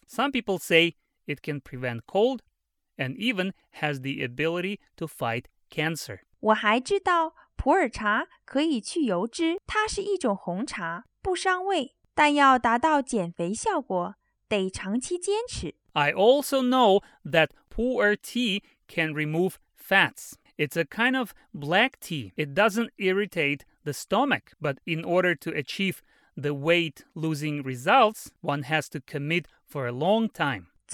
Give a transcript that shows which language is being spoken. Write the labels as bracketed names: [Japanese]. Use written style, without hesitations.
[English] Some people say, it can prevent cold, and even has the ability to fight cancer. [Chinese] 我还知道普洱茶可以去油脂，它是一种红茶，不伤胃，但要达到减肥效果，得长期坚持。I [English] also know that Pu'er tea can remove fats. It's a kind of black tea. It doesn't irritate the stomach, but in order to achieve the weight-losing results, one has to commit for a long time.